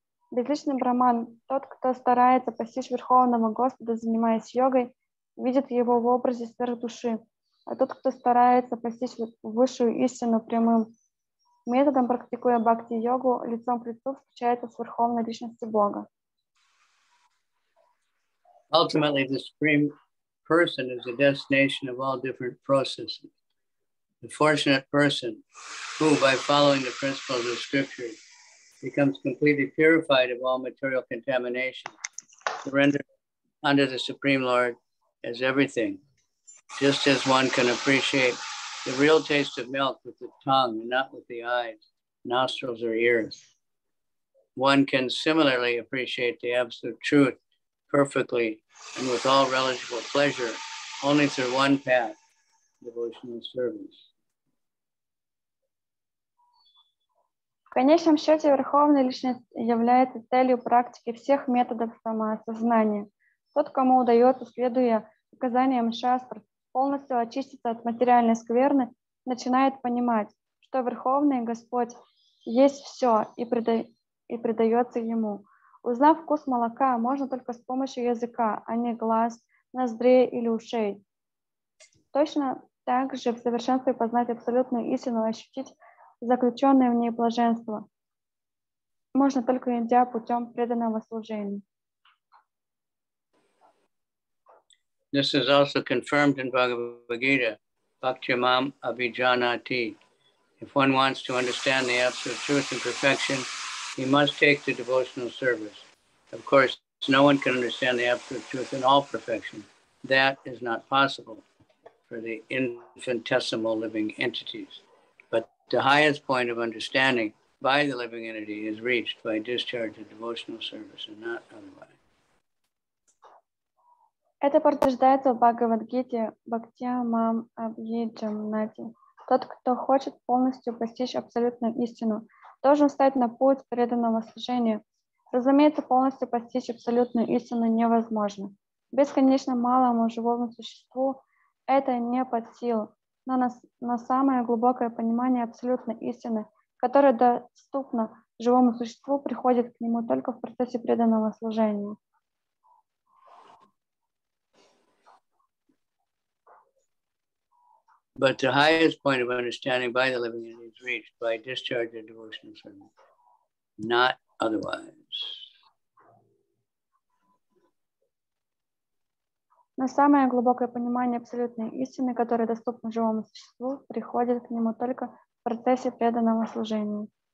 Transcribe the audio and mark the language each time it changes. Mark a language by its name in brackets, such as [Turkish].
[Russian] Безличный брахман, тот, кто старается постичь Верховного Господа, занимаясь йогой, видит его в образе сверхдуши. А тот, кто старается постичь высшую истину прямым методом, практикуя бхакти-йогу, лицом к лицу встречается с Верховной Личностью Бога. [English] Ultimately, the Supreme Person is the destination of all different processes. The fortunate person who, by following the principles of scripture, becomes completely purified of all material contamination, surrendered under the Supreme Lord as everything, just as one can appreciate the real taste of milk with the tongue and not with the eyes, nostrils, or ears. One can similarly appreciate the absolute truth perfectly and with all relishable pleasure only through one path, devotional service. [Russian] В конечном счете, Верховная Личность является целью практики всех методов самоосознания. Тот, кому удается, следуя указаниям шастр, полностью очиститься от материальной скверны, начинает понимать, что Верховный Господь есть все и предается ему. Узнав вкус молока, можно только с помощью языка, а не глаз, ноздрей или ушей. Точно так же в совершенстве познать абсолютную истину, ощутить заключенное в ней блаженство. Можно только идя путем преданного служения. [English] This is also confirmed in Bhagavad Gita, Bhaktimam Abhijanati. If one wants to understand the absolute truth and perfection, he must take the devotional service. Of course, no one can understand the absolute truth and all perfection. That is not possible for the infinitesimal living entities. But the highest point of understanding by the living entity is reached by discharge of devotional service and not otherwise. [Russian] Это подтверждается в Бхагавадгите Бхактиамам Абьиджамнати. Тот, кто хочет полностью постичь абсолютную истину, должен встать на путь преданного служения. Разумеется, полностью постичь абсолютную истину невозможно. Бесконечно малому живому существу это не под силу, но на самое глубокое понимание абсолютной истины, которая доступна живому существу, приходит к нему только в процессе преданного служения. [English] But the highest point of understanding by the living entity is reached by discharge of devotional service, not otherwise. [Russian] На самое глубокое понимание абсолютной истины, которая доступна живому существу, приходит к нему только в процессе преданного служения.